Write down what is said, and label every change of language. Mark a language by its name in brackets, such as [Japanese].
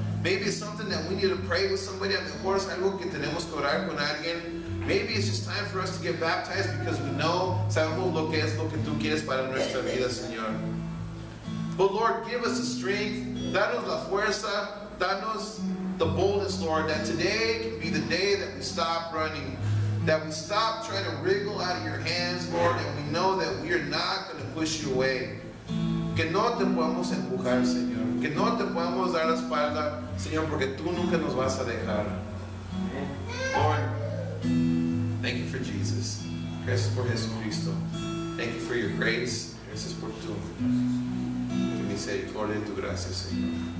[English] Maybe it's something that we need to pray with somebody. [Spanish] A mejor es algo que tenemos que orar con alguien. [English] Maybe it's just time for us to get baptized because we know, [Spanish] sabemos lo que es lo que tú quieres para nuestra vida, Señor. [English] But Lord, give us the strength. [Spanish] Danos la fuerza. Danos [English] the boldness, Lord, that today can be the day that we stop running. That we stop trying to wriggle out of your hands, Lord, and we know that we are not going to push you away. [Spanish] Que no te podemos empujar, Señor. Que no te podemos dar la espalda, Señor, porque tú nunca nos vas a dejar. [English] Lord, thank you for Jesus. [Spanish] Gracias por Jesucristo. [English] Thank you for your grace. [Spanish] Gracias por tu misericordia y tu gracia, Señor.